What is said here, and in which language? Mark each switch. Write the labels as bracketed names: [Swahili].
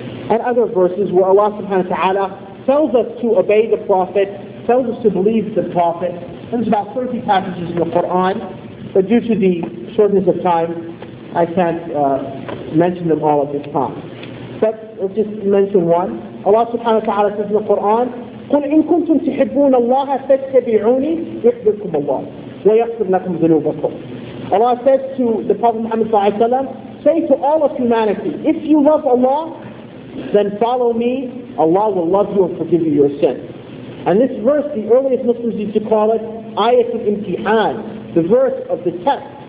[English] And other verses where Allah subhanahu wa ta'ala tells us to obey the Prophet, tells us to believe the Prophet. There's about 30 passages in the Quran, but due to the shortness of time, I can't mention them all at this time. But let's just mention one. Allah subhanahu wa ta'ala says in the Quran, [Arabic] قُلْ إِن كُنْتُمْ تُحِبُّونَ اللَّهَ فَاتَّبِعُونِي يُحْبِبْكُمُ اللَّهُ وَيَغْفِرْ لَكُمْ ذُنُوبَكُمْ. [English] Allah says to the Prophet Muhammad sallallahu alayhi wa sallam, say to all of humanity, if you love Allah, then follow me, Allah will love you and forgive you your sins. And this verse, the earliest Muslims used to call it Ayatul Imtihan, the verse of the test.